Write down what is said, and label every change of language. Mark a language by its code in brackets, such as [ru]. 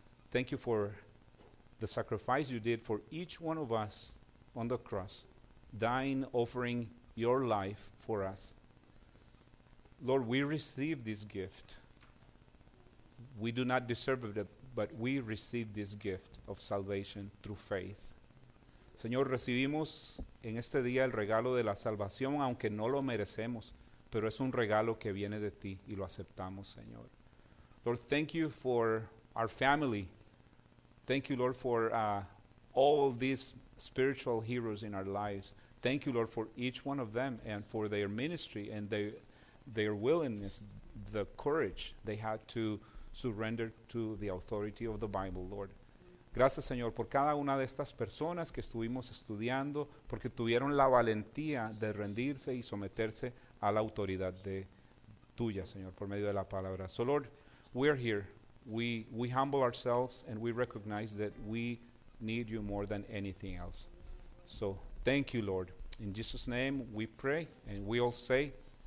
[en] Thank you for the sacrifice you did for each one of us on the cross, dying, offering your life for us. Lord, we receive this gift. We do not deserve it, but we receive this gift of salvation through faith. [es] Señor, recibimos en este día el regalo de la salvación, aunque no lo merecemos, pero es un regalo que viene de ti y lo aceptamos, Señor. [en] Lord, thank you for our family. Thank you, Lord, for all these spiritual heroes in our lives. Thank you, Lord, for each one of them and for their ministry and their willingness, the courage they had to surrender to the authority of the Bible, Lord. [es] Gracias, Señor, por cada una de estas personas que estuvimos estudiando, porque tuvieron la valentía de rendirse y someterse a la autoridad de tuya, Señor, por medio de la palabra. [en] So, Lord, we are here. We humble ourselves and we recognize that we need you more than anything else. So, thank you, Lord. In Jesus' name, we pray and we all say,